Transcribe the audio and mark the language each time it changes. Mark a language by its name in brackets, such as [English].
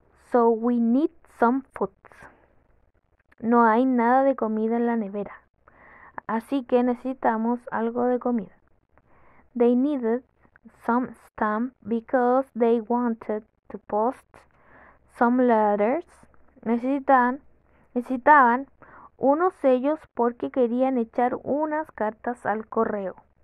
[English] So we need some food. [Spanish] No hay nada de comida en la nevera. Así que necesitamos algo de comida. [English] They needed some stamps because they wanted to post some letters. [Spanish] Necesitaban unos sellos porque querían echar unas cartas al correo.